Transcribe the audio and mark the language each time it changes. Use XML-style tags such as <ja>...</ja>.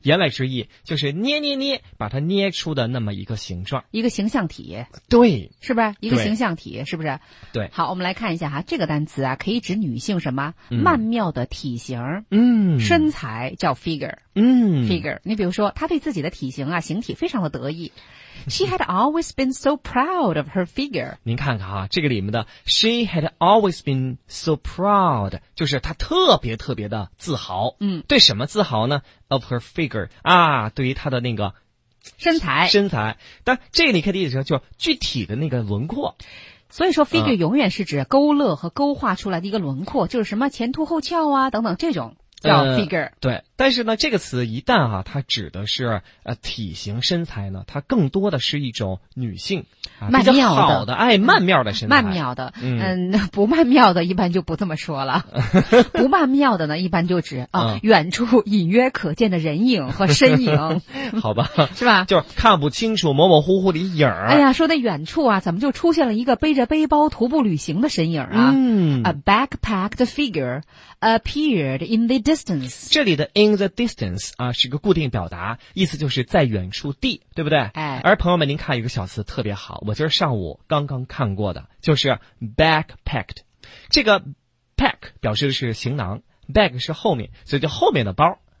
<zh>言外之意就是捏捏捏，把它捏出的那么一个形状，一个形象体。对，是不是一个形象体？是不是？对。好，我们来看一下哈，这个单词啊，可以指女性什么，嗯，曼妙的体型。嗯，身材叫 figure。嗯，</zh> <en>figure。</en> <zh>你比如说，她对自己的体型啊，形体非常的得意。</zh> <en>She had always been so proud of her figure。</en> <zh>您看看啊，这个里面的</zh> <en>She had always been so proud，</en> <zh>就是她特别特别的自豪。嗯，对什么自豪呢？</zh> <en>Of her figure，</en> <zh>啊，对于她的那个身材。身材，但这个你可以理解成就具体的那个轮廓。所以说 figure 永远是指勾勒和勾画出来的一个轮廓，就是什么前凸后翘啊等等，这种叫 figure。对，但是呢，这个词一旦啊，它指的是体型身材呢，它更多的是一种女性，曼妙的，比较好的，爱曼妙的身材。曼妙的，嗯，不曼妙的，一般就不这么说了。不曼妙的呢，一般就指啊，远处隐约可见的人影和身影。好吧，是吧？就是看不清楚，模模糊糊的影儿。哎呀，说那远处啊，怎么就出现了一个背着背包徒步旅行的身影啊？嗯</zh> <en>，a backpacked figure appeared in the distance。</en> <zh>这里的</zh> <en>in the distance</en> <zh>啊，是个固定表达，意思就是在远处地，对不对？哎，而朋友们，您看一个小词特别好，我今儿上午刚刚看过的，就是 backpacked。这个 pack 表示的是行囊 ，bag 是后面，所以就后面的包。</zh>